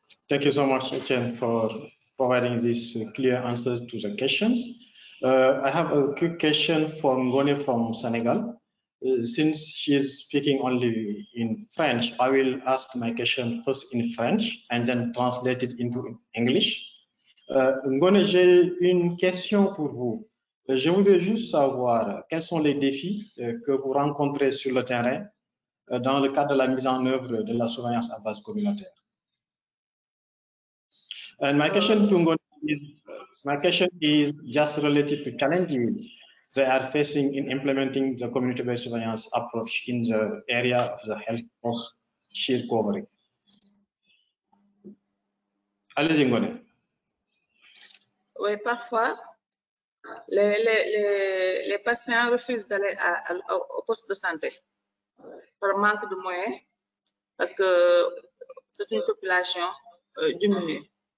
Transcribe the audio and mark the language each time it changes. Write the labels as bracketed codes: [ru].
[en] Thank you so much, Etienne, for providing these clear answers to the questions. I have a quick question for Ngone from Senegal. Since she's speaking only in French, I will ask my question first in French and then translate it into English. [fr] Ngone, j'ai une question pour vous. Je voudrais juste savoir quels sont les défis que vous rencontrez sur le terrain dans le cadre de la mise en œuvre de la surveillance à base communautaire. [en] And my question to Ngone is just related to challenges they are facing in implementing the community-based surveillance approach in the area of the health force she's covering. [fr] Allez, Ngone. Oui, parfois, les patients refusent d'aller au poste de santé par manque de moyens, parce que c'est une population diminuée.